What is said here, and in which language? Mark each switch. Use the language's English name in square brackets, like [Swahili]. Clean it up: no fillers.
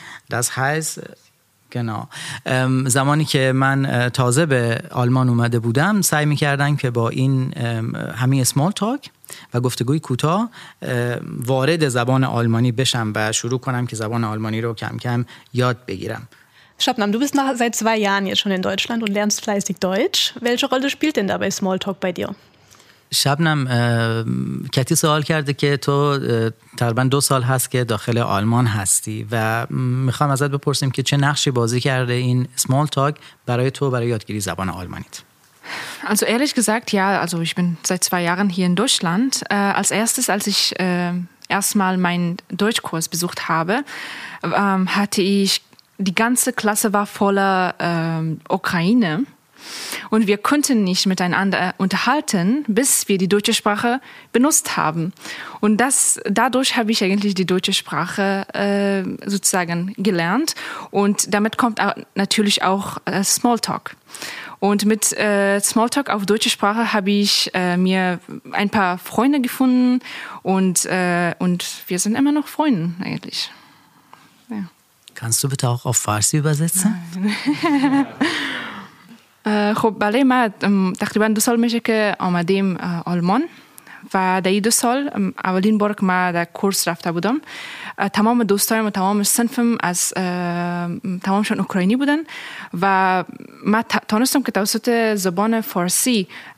[German] Das heißt... Genau. [Persian] زمانی که من تازه به آلمان اومده بودم سعی میکردم که با این همین اسمال تاک و گفتگوی کوتاه وارد زبان آلمانی بشم و شروع کنم که زبان آلمانی رو کم کم یاد بگیرم [German] Schabnam, du bist seit zwei Jahren jetzt schon in Deutschland und lernst fleißig Deutsch. Welche Rolle spielt denn dabei Smalltalk bei dir? [Persian] شبنم کتی سوال کرده که تو تقریبا دو سال هست که داخل آلمان هستی و میخوام ازت بپرسیم که چه نقشی بازی کرده این سمال تاک برای تو برای یادگیری زبان آلمانیت [German] Also ehrlich gesagt, ja, also ich bin seit 2 Jahren hier in Deutschland. Als erstes, als ich erstmal meinen Deutschkurs besucht habe, hatte ich, die ganze Klasse war voller Ukraine und wir konnten nicht miteinander unterhalten, bis wir die deutsche Sprache benutzt haben. Und das, dadurch habe ich eigentlich die deutsche Sprache sozusagen gelernt und damit kommt natürlich auch Smalltalk. Und mit Smalltalk auf deutsche Sprache habe ich mir ein paar Freunde gefunden und wir sind immer noch Freunde eigentlich. Ja. Kannst du bitte auch auf Farsi übersetzen? [Persian] خب بله ما تقریبا 2 سال میشه که آمدیم آلمان و در این 2 سال اولین بار که ما در کورس رفته بودم تمام دوستایم و تمام صنفم از تمامشون اوکراینی بودن و ما تانستم که توسط زبان فارسی